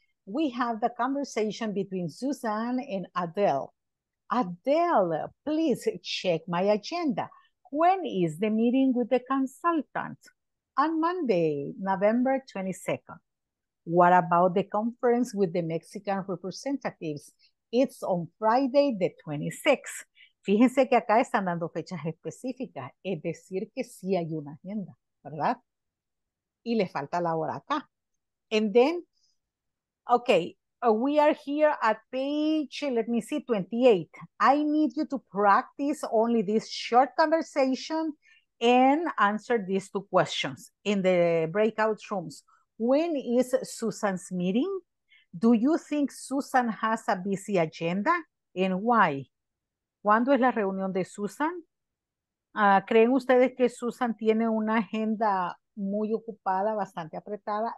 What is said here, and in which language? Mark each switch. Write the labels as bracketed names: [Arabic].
[English] We have the conversation between Suzanne and Adele. Adele, please check my agenda. When is the meeting with the consultant? On Monday, November 22nd. What about the conference with the Mexican representatives? It's on Friday the 26th. [Spanish] Fíjense que acá están dando fechas específicas, es decir, que sí hay una agenda, ¿verdad? Y le falta la hora acá. [English] And then, okay, we are here at page, let me see, 28. I need you to practice only this short conversation and answer these two questions in the breakout rooms. When is Susan's meeting? Do you think Susan has a busy agenda? And why? [Spanish] ¿Cuándo es la reunión de Susan? ¿Creen ustedes que Susan tiene una agenda muy ocupada, bastante apretada?